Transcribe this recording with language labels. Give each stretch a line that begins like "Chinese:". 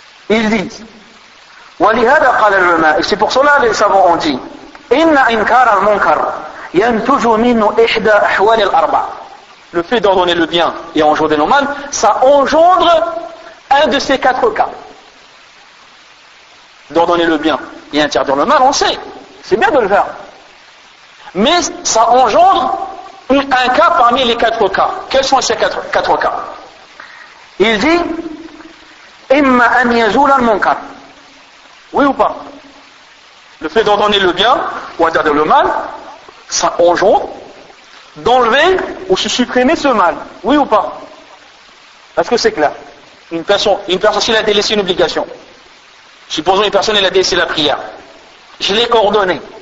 French: Ils disent,
Arabic: وَلِهَذَا قَالَ الْعُلَمَاءِ.
French: Et c'est pour cela que les savants ont dit,
Arabic: إن إنكار المنكر ينتج منه إحدى أحوال الأربعة.
French: Le fait d'ordonner le bien et engendrer le mal, ça engendre un de ces quatre cas. D'ordonner le bien et interdire le mal, on sait, c'est bien de le faire. Mais ça engendre un cas parmi les quatre cas. Quels sont ces quatre cas? Il dit
Arabic: إما أن يزول المنكر.
French: Oui ou pas? Le fait d'ordonner le bien ou d'ordonner le mal, ça engendre d'enlever ou de supprimer ce mal. Oui ou pas? Est-ce que c'est clair? Une personne, s'il a délaissé une obligation, supposons une personne, elle a délaissé la prière. Je l'ai ordonné.